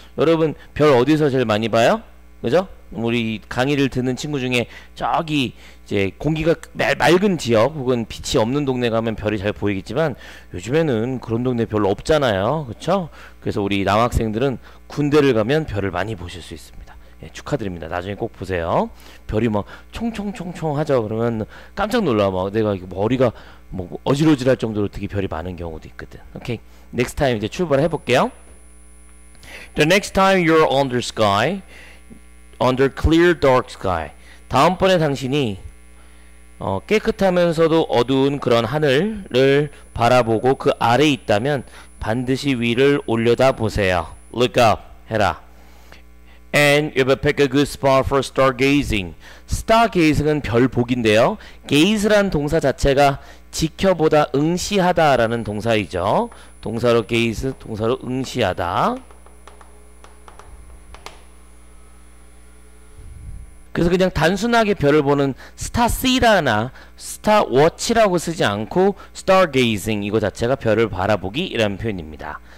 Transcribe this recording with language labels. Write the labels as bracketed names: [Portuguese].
[Korean] 여러분 별 어디서 제일 많이 봐요? 그죠? 우리 강의를 듣는 친구 중에 저기 이제 공기가 맑은 지역 혹은 빛이 없는 동네 가면 별이 잘 보이겠지만 요즘에는 그런 동네 별로 없잖아요. 그쵸? 그래서 우리 남학생들은 군대를 가면 별을 많이 보실 수 있습니다. 예, 축하드립니다. 나중에 꼭 보세요. 별이 막 총총총총 하죠. 그러면 깜짝 놀라. 막 내가 머리가 뭐 어지러질할 정도로 되게 별이 많은 경우도 있거든. 오케이. Next time 이제 출발해 볼게요. [English] The next time you're under sky, under clear dark sky. [Korean] 다음번에 당신이 깨끗하면서도 어두운 그런 하늘을 바라보고 그 아래 있다면 반드시 위를 올려다 보세요. [English] Look up. [Korean] 해라. [English] And you better pick a good spot for stargazing. [Korean] Stargazing은 별 보기인데요. Gaze란 동사 자체가 지켜보다 응시하다 라는 동사이죠. 동사로 gaze, 동사로 응시하다. So, 그냥 단순하게 별을 보는 star-see다나 star-watch라고 쓰지 않고 stargazing, 이거 자체가 별을 바라보기 이라는 표현입니다.